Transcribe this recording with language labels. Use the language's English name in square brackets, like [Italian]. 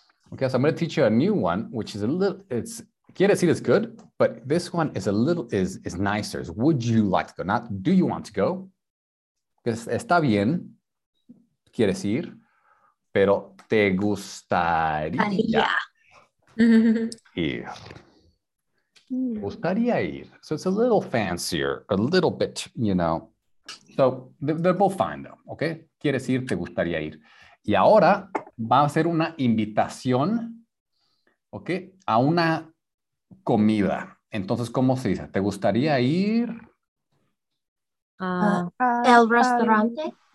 [English] Ok, so I'm going to teach you a new one, which is a little, it's, [Spanish] ¿quieres ir? [English] Is good, but this one is a little, is nicer. It's, would you like to go? Not, do you want to go? [Spanish] Está bien, quieres ir, pero te gustaría ir. Gustaría ir. [English] So it's a little fancier, a little bit, you know. So they're both fine though, okay? [Spanish] Quieres ir, te gustaría ir. Y ahora va a ser una invitación, okay, a una comida. Entonces, ¿cómo se dice? ¿Te gustaría ir? El restaurante.